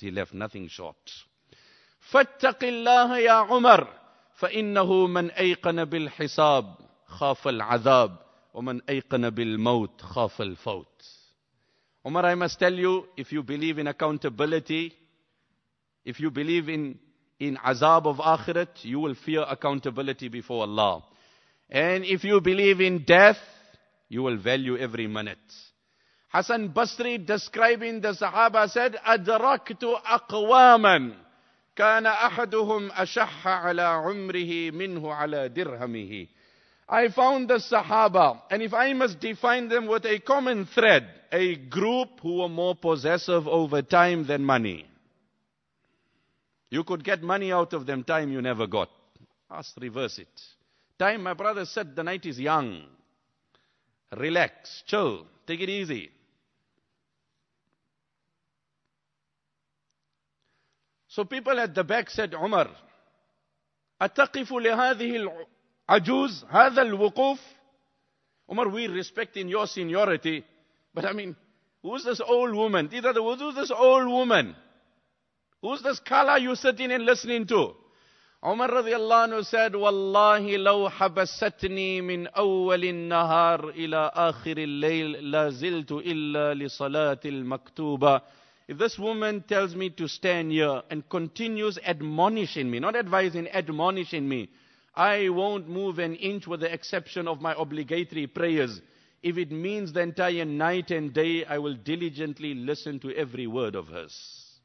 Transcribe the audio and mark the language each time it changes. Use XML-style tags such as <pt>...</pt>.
<en>He left nothing short.</en> <ar>فَاتَّقِ اللَّهَ يَا عُمَرْ فَإِنَّهُ مَنْ أَيْقَنَ بِالْحِسَابِ خَافَ الْعَذَابِ وَمَنْ أَيْقَنَ بِالْمَوْتِ خَافَ الْفَوْتِ.</ar> <en>Umar, I must tell you, if you believe in accountability, if you believe in azab of akhirat, you will fear accountability before Allah. And if you believe in death, you will value every minute. Hasan Basri, describing the Sahaba, said,</en> <ar>أَدْرَكْتُ أَقْوَامًا كَانَ أَحَدُهُمْ أَشَحَّ عَلَىٰ عُمْرِهِ مِنْهُ عَلَىٰ دِرْهَمِهِ.</ar> <en>I found the Sahaba, and if I must define them with a common thread, a group who were more possessive over time than money. You could get money out of them, time you never got. Ask, reverse it. Time, my brother said, the night is young. Relax, chill, take it easy. So people at the back said, Umar,</en> <ar>أَتَقِفُ لِهَذِهِ الْعَجُوزِ هَذَا الْوُقُوفِ.</ar> <en>Umar, we respect in your seniority, but I mean, who's this old woman? Who's this old woman? Who's this kala you sitting and listening to? Umar radiallahu anhu said,</en> <ar>وَاللَّهِ لَوْ حَبَسَتْنِي مِنْ أَوَّلِ النَّهَارِ إِلَىٰ آخِرِ اللَّيْلِ لَازِلْتُ إِلَّا لِصَلَاةِ الْمَكْتُوبَةِ.</ar> <en>If this woman tells me to stand here and continues admonishing me, not advising, admonishing me, I won't move an inch with the exception of my obligatory prayers. If it means the entire night and day, I will diligently listen to every word of hers.</en>